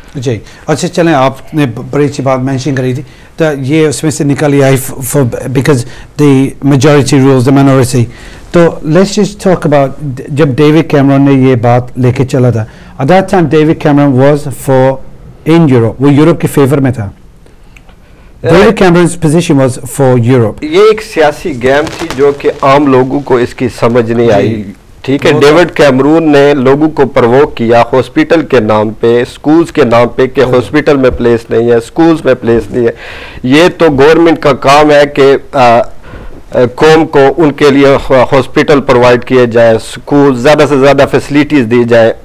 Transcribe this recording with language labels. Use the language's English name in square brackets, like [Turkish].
[Hindi] जी अच्छा, चलें, आपने बड़ी अच्छी बात मेंशन करी थी. तो ये उसमें से निकल आई [English] Because the majority rules the minority. [Hindi] तो [English] let's just talk about, [Hindi] जब डेविड कैमरन ने ये बात लेके चला था, [English] at that time David Cameron was for in Europe, [Hindi] वो यूरोप के फेवर में था. [English] David Cameron's position was for Europe. [Hindi] ये एक सियासी गेम थी जो कि आम लोगों को इसकी समझ नहीं आई. ठीक है, डेविड कैमरून ने लोगों को प्रवोक किया हॉस्पिटल के नाम पे, स्कूल्स के नाम पे, कि हॉस्पिटल में प्लेस नहीं है, स्कूल्स में प्लेस नहीं है. ये तो गवर्नमेंट का काम है कि कौम को उनके लिए हॉस्पिटल प्रोवाइड किए जाए, स्कूल ज़्यादा से ज़्यादा फैसिलिटीज़ दी जाए.